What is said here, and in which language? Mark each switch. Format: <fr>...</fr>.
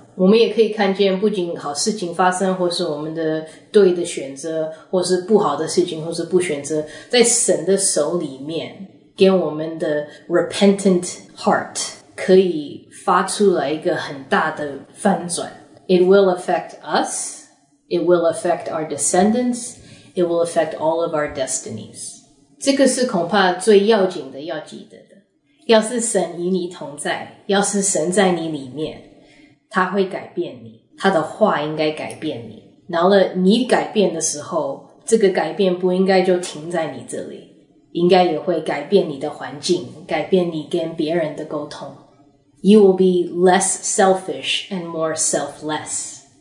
<zh>我们也可以看见不仅好事情发生，或是我们的对的选择，或是不好的事情，或是不选择，在神的手里面给我们的</zh> <en>repentant heart</en> <zh>可以发出来一个很大的翻转。</zh> <en>It will affect us, it will affect our descendants, it will affect all of our destinies.</en> <zh>这个是恐怕最要紧的要记得的。要是神与你同在，要是神在你里面，他会改变你，他的话应该改变你。然后你改变的时候，这个改变不应该就停在你这里，应该也会改变你的环境，改变你跟别人的沟通。</zh> <en>You will be less selfish and more selfless.</en>